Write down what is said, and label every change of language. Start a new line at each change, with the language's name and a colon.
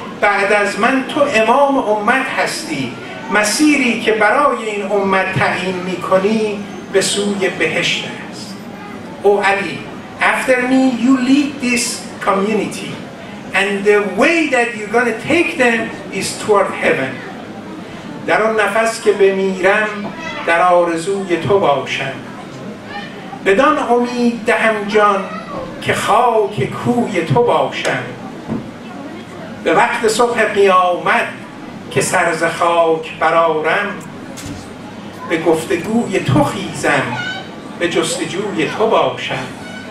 Persian: بعد از من تو امام امت هستی، مسیری که برای این امت تعیین میکنی به سوی بهشت است.
English: او علی، after me you lead this community and the way that you're gonna take them is toward heaven.
Persian: در آن نفس که بمیرم در آرزوی تو باشم، بدان امید دهم جان که خاک کوی تو باشم. به وقت صبح قیامت که سر ز خاک برآرم، به گفتگوی تو خیزم، به جستجوی تو باشم.